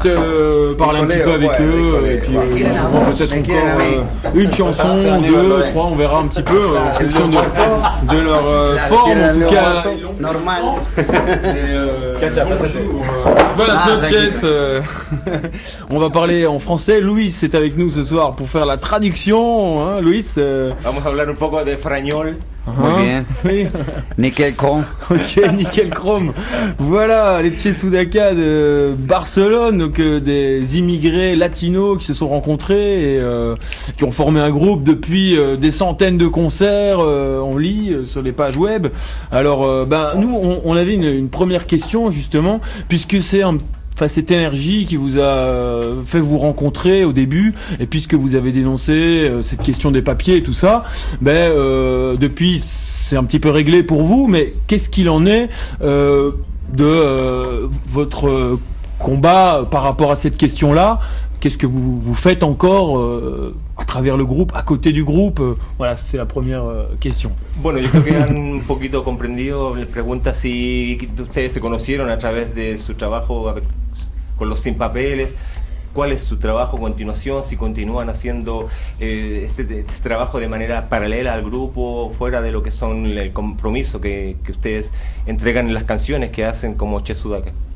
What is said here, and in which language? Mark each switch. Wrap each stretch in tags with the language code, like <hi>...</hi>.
<fr>Juste parler un petit peu avec eux, et puis peut-être encore une chanson, deux, trois, on verra un petit peu en fonction de leur forme, en tout cas. Normal. Kacha, voilà, Snotches. On va parler en français. Luis est avec nous ce soir pour faire la traduction. Hein, Luis.</fr> <es>Vamos a hablar un poco de frañol.</es> <fr>Nickel Chrome. Ok, Nickel Chrome. Voilà, les Chesudaka de Barcelone, donc des immigrés latinos qui se sont rencontrés et qui ont formé un groupe depuis des centaines de concerts, on lit sur les pages web. Alors, nous, on avait une première question, justement, puisque c'est cette énergie qui vous a fait vous rencontrer au début, et puisque vous avez dénoncé cette question des papiers et tout ça, depuis c'est un petit peu réglé pour vous, mais qu'est-ce qu'il en est votre combat par rapport à cette question-là? Qu'est-ce que vous faites encore à travers le groupe, à côté du groupe? Voilà, c'est la première question.</fr> <es>Bueno, yo creo que han un poquito comprendido. Les pregunta si ustedes se conocieron a través de su trabajo con los sin papeles. ¿Cuál es su trabajo a continuación? Si continúan haciendo este trabajo de manera paralela al grupo, fuera de lo que son el compromiso que ustedes entregan en las canciones que hacen como Chesudaka.</es>